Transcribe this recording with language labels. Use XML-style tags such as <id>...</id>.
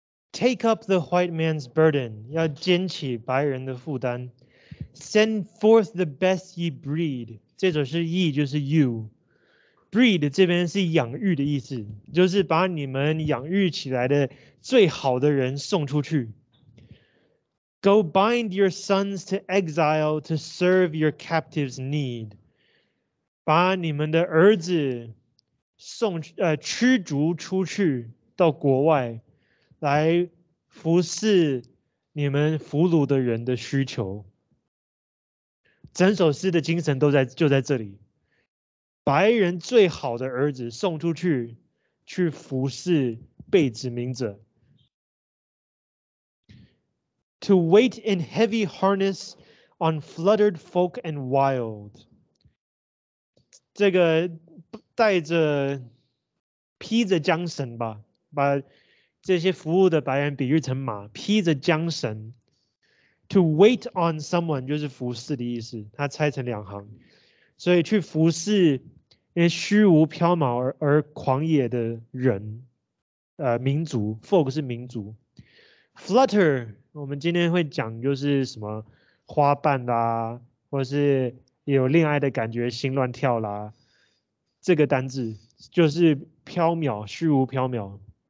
<en>Take up the white man's burden,</en> <zh>要肩起白人的负担。</zh> <en>Send forth the best ye breed,</en> <zh>这首是 ye 就是 you。 Breed 这边是养育的意思，就是把你们养育起来的最好的人送出去。</zh> <en>Go bind your sons to exile to serve your captives' need.</en> <zh>把你们的儿子送驱逐出去到国外，来服侍你们俘虏的人的需求。整首诗的精神都在就在这里。白人最好的儿子送出去去服侍被殖民者。</zh> <en>To wait in heavy harness on fluttered folk and wild.</en> <zh>这个带着披着缰绳吧，把这些服务的白人比喻成马，披着缰绳。</zh> <en>To wait on someone</en> <zh>就是服侍的意思，它拆成两行，所以去服侍那些虚无缥缈而狂野的人，民族 ，folk 是民族 ，flutter 我们今天会讲就是什么花瓣啦，或是有恋爱的感觉，心乱跳啦，这个单字就是缥缈，虚无缥缈。</zh>